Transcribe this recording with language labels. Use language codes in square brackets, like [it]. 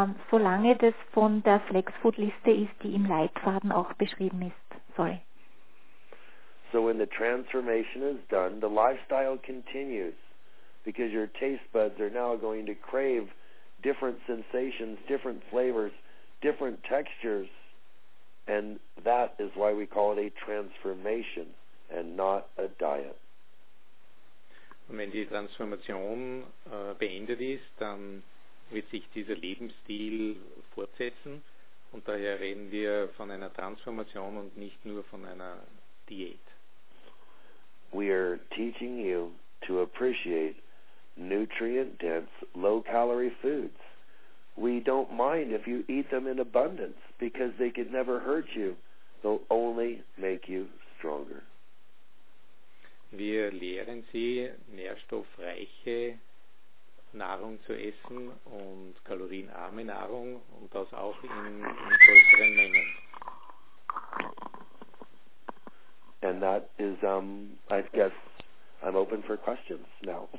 [de] solange das von der Flex Food Liste ist, die im Leitfaden auch beschrieben ist. [en] Sorry. So when the transformation is done, the lifestyle continues because your taste buds are now going to crave different sensations, different flavors, different textures, and that is why we call it a transformation and not a diet. [de] Und wenn die Transformation beendet ist, dann wird sich dieser Lebensstil fortsetzen und daher reden wir von einer Transformation und nicht nur von einer Diät. [en] We are teaching you to appreciate nutrient-dense, low-calorie foods. We don't mind if you eat them in abundance because they could never hurt you. They'll only make you stronger. [de] Wir lehren Sie, nährstoffreiche Nahrung zu essen und kalorienarme Nahrung und das auch in größeren Mengen. [en] And that is, I guess, I'm open for questions now.